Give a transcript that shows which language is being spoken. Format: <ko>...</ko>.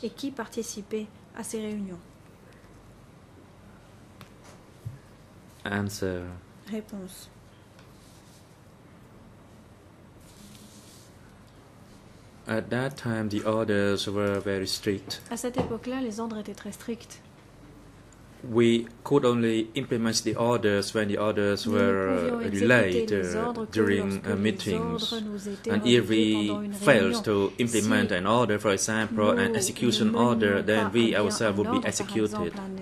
<fr>Et qui participait à ces réunions?</fr> <en>Answer.</en> <fr>Réponse.</fr> <en>At that time, the orders were very strict.</en> <fr>À cette époque-là, les ordres étaient très stricts.</fr> <en>We could only implement the orders when the orders were relayed during meetings. And if we failed to implement an order, for example, an execution order, then we ourselves would be executed.</en>